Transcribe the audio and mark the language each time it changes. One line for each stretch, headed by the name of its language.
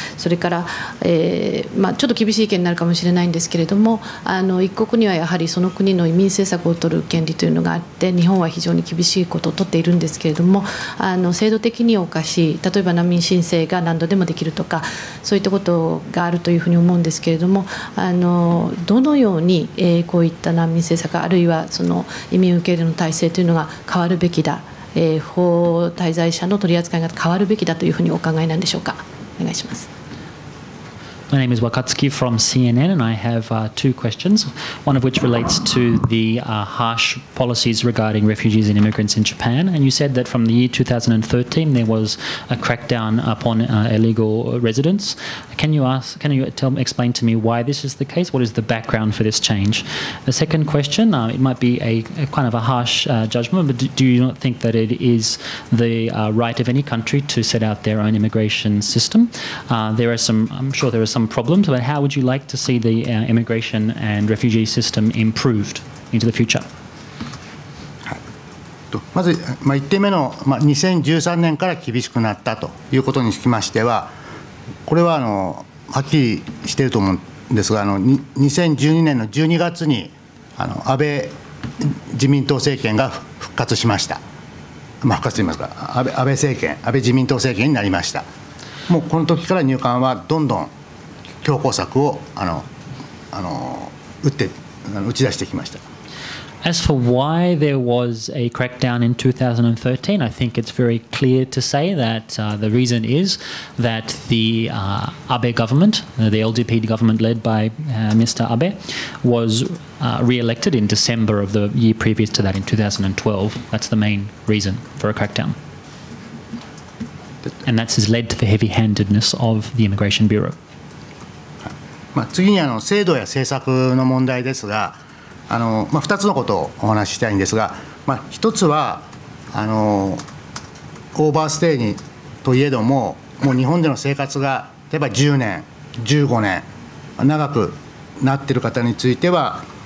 Japanese: それから、ちょっと厳しい意見になるかもしれないんですけれども、一国にはやはりその国の移民政策を取る権利というのがあって、日本は非常に厳しいことを取っているんですけれども、制度的におかしい、例えば難民申請が何度でもできるとか、そういったことがあるというふうに思うんですけれども、どのように、こういった難民政策、あるいはその移民受け入れの体制というのが変わるべきだ、法滞在者の取り扱いが変わるべきだというふうにお考えなんでしょうか。お願いします。
English: My name is Wakatsuki from CNN, and I have two questions, one of which relates to the harsh policies regarding refugees and immigrants in Japan. And you said that from the year 2013, there was a crackdown upon illegal residents. Can you explain to me why this is the case? What is the background for this change? The second question, it might be a kind of a harsh judgment, but do you not think that it is the right of any country to set out their own immigration system? There are some problems, but how would you like to see the immigration and refugee system improved into the future?
Japanese: まず、1点目の、2013年から厳しくなったということにつきましては、これは、はっきりしていると思うんですが、2012年の12月に安倍自民党政権が復活しました。復活といいますか、安倍自民党政権になりました。もうこの時から入管はどんどん強硬策を打ち出してきました。
English: As for why there was a crackdown in 2013, I think it's very clear to say that the reason is that the Abe government, the LDP government led by Mr. Abe, was re-elected in December of the year previous to that, in 2012. That's the main reason for a crackdown. And that has led to the heavy-handedness of the Immigration Bureau.
Japanese: 次に制度や政策の問題ですが、2つのことをお話ししたいんですが、1つはオーバーステイにといえども、もう日本での生活が例えば10年15年長くなっている方については、